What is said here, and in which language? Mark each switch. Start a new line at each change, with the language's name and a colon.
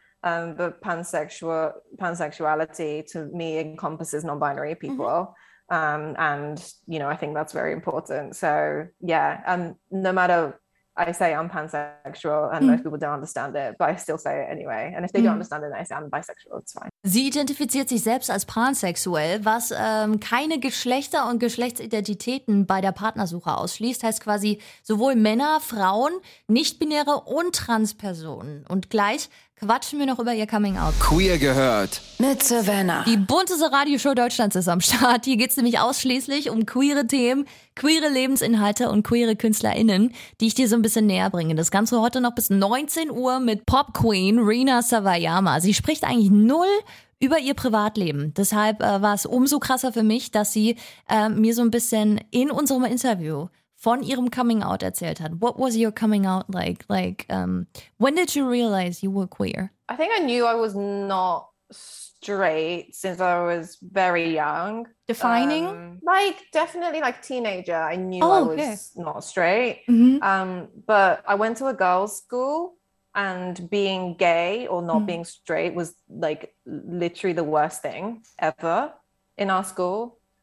English: And the pansexuality to me encompasses non-binary people. Mm-hmm. And, you know, I think that's very important. So, yeah. And no matter, I say I'm pansexual and most people don't understand it, but I still say it anyway. And if they don't understand it, then I say I'm bisexual. It's fine.
German: Sie identifiziert sich selbst als pansexuell, was keine Geschlechter und Geschlechtsidentitäten bei der Partnersuche ausschließt. Heißt quasi sowohl Männer, Frauen, nicht-binäre und Transpersonen. Und gleich quatschen wir noch über ihr Coming Out. Queer gehört mit Savannah. Die bunteste Radioshow Deutschlands ist am Start. Hier geht's nämlich ausschließlich um queere Themen, queere Lebensinhalte und queere KünstlerInnen, die ich dir so ein bisschen näher bringe. Das Ganze heute noch bis 19 Uhr mit Pop-Queen Rina Sawayama. Sie spricht eigentlich null über ihr Privatleben. Deshalb war es umso krasser für mich, dass sie mir so ein bisschen in unserem Interview von ihrem Coming Out erzählt hat.
English: What was your coming out like? When did you realize you were queer? I think I knew I was not straight since I was very young. Defining? Like, definitely like teenager, I knew was not straight. Mm-hmm. But I went to a girls' school and being gay or not being straight was like literally the worst thing ever in our school.